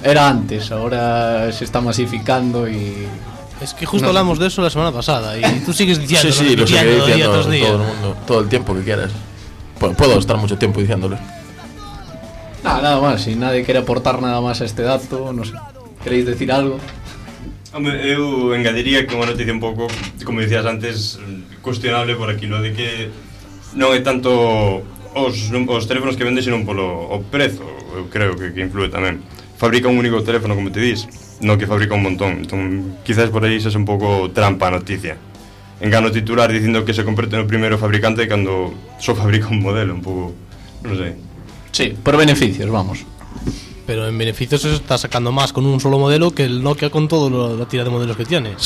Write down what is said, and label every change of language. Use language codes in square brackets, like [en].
[es] Era antes, ahora se está masificando y... Es que justo no. Hablamos de eso la semana pasada y tú sigues diciendo. Sí, sí, lo seguiré diciendo todo el mundo, todo el tiempo que quieras. Puedo estar mucho tiempo diciéndolo. Nada más, si nadie quiere aportar nada más a este dato, no sé. ¿Queréis decir algo? [gl] Hombre, eu engadiría que unha noticia un pouco, como dicías antes, cuestionable por aquilo de que non é tanto os teléfonos que vende, sino polo o prezo, eu creo que influe tamén. Fabrica un único teléfono, como te dís, non que fabrica un montón. Entón, quizás por aí sexa un pouco trampa a noticia. Engano titular dicindo que se converte no primeiro fabricante cando só fabrica un modelo, un pouco, non sei. [es] Sí, por beneficios, vamos. Pero en beneficios se está sacando más con un solo modelo que el Nokia con toda la tira de modelos que tiene.